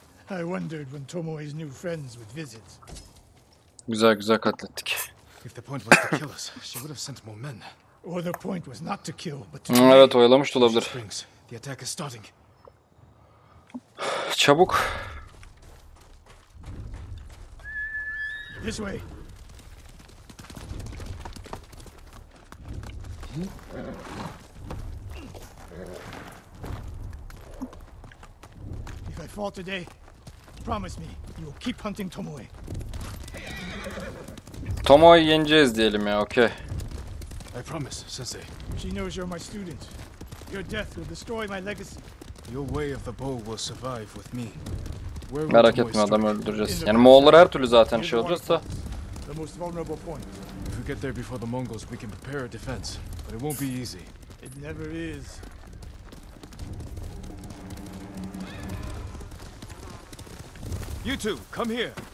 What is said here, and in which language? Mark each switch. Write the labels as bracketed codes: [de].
[en] I wondered when Tomoe's new friends would visit. [tr] Güzel katlettik. [en] If the point was to kill us, she would have sent more men. Or the point was not to kill, but to... [tr] Evet, oyalamış da olabilir. [en] The attack is starting. [tr] Çabuk. [en] This way. Fall today. Promise me you will keep hunting Tomoe. [tr] Tomoe'yu yeneceğiz diyelim ya, okay. [en] I promise, Sensei. She knows you're my student. Your death will destroy my legacy. Your way of the bow will survive with me. [tr] Merak etme, adam öldüreceğiz. Yani Moğollar her türlü zaten şey olacağız da. [en] The most vulnerable point. If we get there before the Mongols, we can prepare a defense. But it won't be easy. It never is. You two, come here.